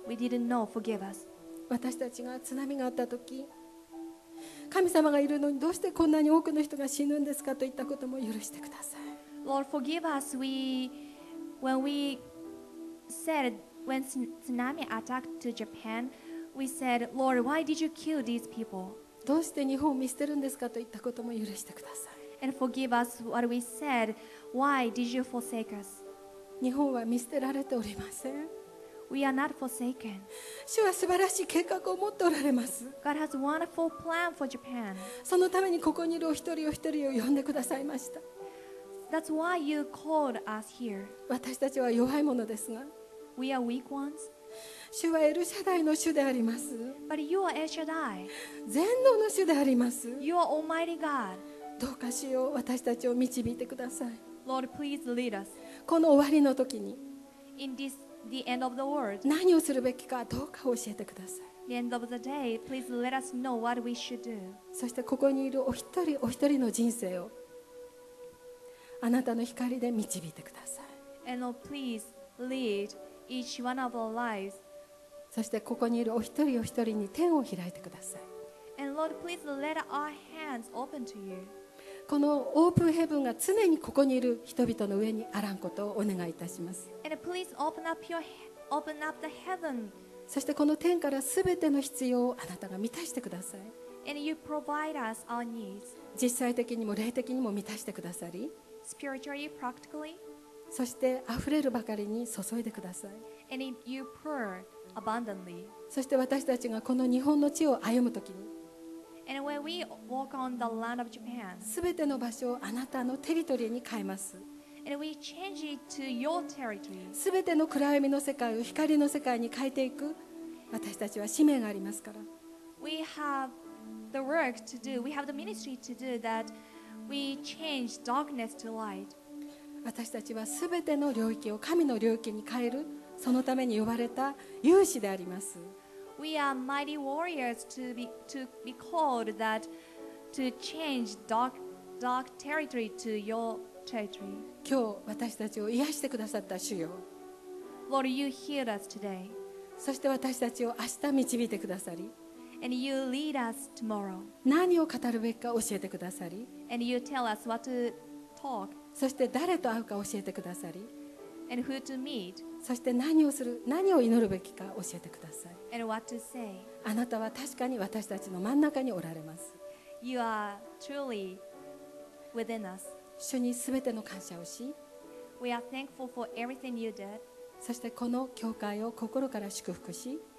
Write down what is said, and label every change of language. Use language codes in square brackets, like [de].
[en] We didn't know. Forgive us. [ja] 私たちが津波があったとき、神様がいるのにどうしてこんなに多くの人が死ぬんですかといったことも許してください。 [en] Lord, forgive us. We, when we said when tsunami attacked to Japan, we said, Lord, why did you kill these people? [ja] どうして日本を見捨てるんですかといったことも許してください。 [en] And forgive us what we said. Why did you forsake us? [ja] 日本は見捨てられておりません。 [en] We are not forsaken. [ja] 主は素晴らしい計画を持っておられます。 [en] God has a wonderful plan for Japan. [ja] そのためにここにいるお一人お一人を呼んでくださいました。 [en] That's why you called us here. [ja] 私たちは弱いものですが。 [en] We are weak ones. [ja] 主はエルシャダイの主であります。 [en] But you are El Shaddai. [ja] 全能の主であります。 [en] You are Almighty God. [ja] どうか主よ、私たちを導いてください。 [en] Lord, please lead us. [ja] この終わりの時に、 [en] in this the end of the world. [ja] 何をするべきかどうか教えてください。 [en] The end of the day, please let us know what we should do. [ja] そしてここにいるお一人お一人の人生をあなたの光で導いてください。 [en] And please lead each one of our lives. [ja] そしてここにいるお一人お一人に天を開いてください。 [en] And Lord, please let our hands open to you. [ja] このオープンヘブンが常にここにいる人々の上にあらんことをお願いいたします。 [en] And please open up your, open up the heaven. [ja] そしてこの天からすべての必要をあなたが満たしてください。 [en] And you provide us our needs. [ja] 実際的にも霊的にも満たしてくださり。 [en] Spiritually, practically. [ja] そして溢れるばかりに注いでください。 [en] And you pour. Abundantly. [ja] そして私たちがこの日本の地を歩むときに、 [en] And when we walk on the land of Japan, [ja] 全ての場所をあなたのテリトリーに変えます。 [en] And we change it to your territory. [ja] 全ての暗闇の世界を光の世界に変えていく私たちは使命がありますから。 [en] We have the work to do. We have the ministry to do that. We change darkness to light. [ja] 私たちは全ての領域を神の領域に変えるそのために呼ばれた勇士であります。 [en] We are mighty warriors to be called that to change dark territory to your territory. [ja] 今日私たちを癒してくださった主よ。 [en] Lord, you healed us today. [ja] そして私たちを明日導いてくださり。 [en] And you lead us tomorrow. [ja] 何を語るべきか教えてくださり。 [en] And you tell us what to talk. [ja] そして誰と会うか教えてくださり。 [en] And who to meet. [ja] そして何をする、何を祈るべきか教えてください。 [en] And what to say. [ja] あなたは確かに私たちの真ん中におられます。 [en] You are truly within us. [ja] 主にすべての感謝をし、 [en] We are thankful for everything you did. [ja] そしてこの教会を心から祝福し、